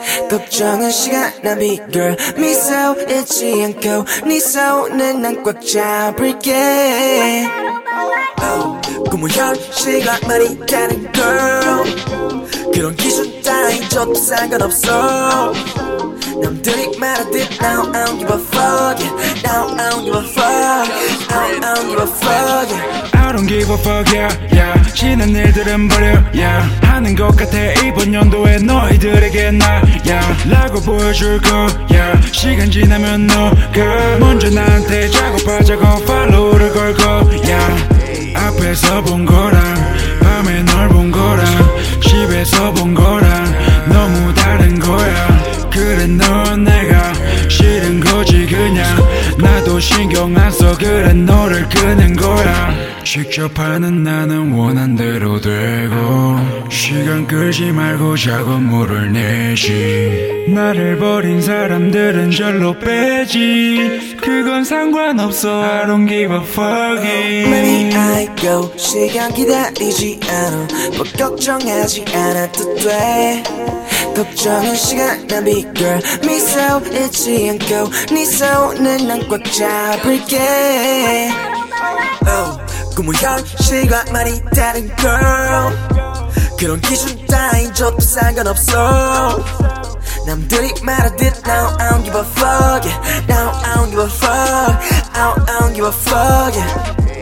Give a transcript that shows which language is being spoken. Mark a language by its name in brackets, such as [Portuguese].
[Korean] 걱정은 시간 낭비 girl. 미소 잃지 않고 네 손은 난 꽉 잡을게. 꿈을 현실과 많이 가는 girl. 그런 기준 따라 잊어도 상관없어. 남들이 말하듯 [English] now I don't give a fuck yeah. Now I don't give a fuck yeah. I don't give a fuck yeah. I don't give a fuck yeah, yeah. [Korean] 지난 일들은 버려 yeah. 하는 것 같아 이번 연도에 너희들에게 나 yeah. 라고 보여줄 거야. 시간 지나면 너가 먼저 나한테 작업하자고 팔로우를 걸고 yeah. 앞에서 본 거랑 밤에 널 본 거랑 집에서 본 거랑 너무 다른 거야. 그래 넌 내가 싫은 거지 그냥. 나도 신경 안 써 그래 너를 끄는 거야. 직접 하는 나는 원한 대로 되고 시간 끌지 말고 작업물을 내지. 나를 버린 사람들은 절로 빼지. 그건 상관없어 [English] I don't give a fuck it. Money I go [Korean] 시간 기다리지 않아 뭐 걱정하지 않아도 돼. 걱정은 시간 낭비 girl. 미소 잃지 않고 네 손은 난 꽉 잡을게. Oh. 꿈을 현실과 많이 다른 girl. 그런 기준 따라 잊어도 상관없어. 남들이 말하듯 [English] now I don't give a fuck yeah. Now I don't give a fuck yeah. Now I don't give a fuck yeah.